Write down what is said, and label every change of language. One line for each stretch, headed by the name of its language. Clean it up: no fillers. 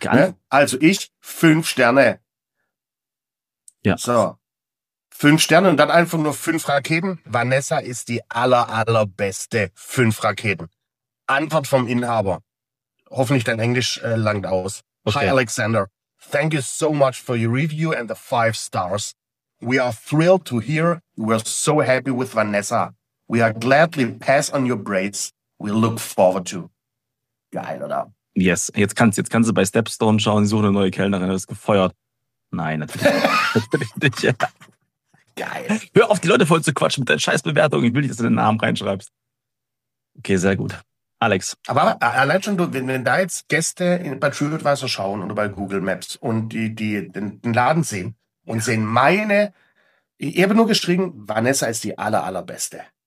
German: geantwortet. Also ich, 5 Sterne. Ja. So, 5 Sterne und dann einfach nur 5 Raketen. Vanessa ist die allerbeste. 5 Raketen. Antwort vom Inhaber. Hoffentlich dein Englisch langt aus.
English: Hi Okay. Alexander, thank you so much for your review and the 5 stars. We are thrilled to hear you were so happy with Vanessa. We are gladly pass on your braids. We look forward to.
German: Geil, oder?
English: Yes,
German: jetzt kannst du bei Stepstone schauen, ich suche eine neue Kellnerin, das ist gefeuert. Nein, natürlich nicht. Natürlich nicht, ja. Geil. Hör auf, die Leute voll zu quatschen mit deinen scheiß Bewertungen. Ich will nicht, dass du den Namen reinschreibst. Okay, sehr gut. Alex. Aber allein schon, wenn da jetzt Gäste bei TripAdvisor schauen oder bei Google Maps und den Laden sehen und sehen meine, ich habe nur geschrieben, Vanessa ist die allerbeste.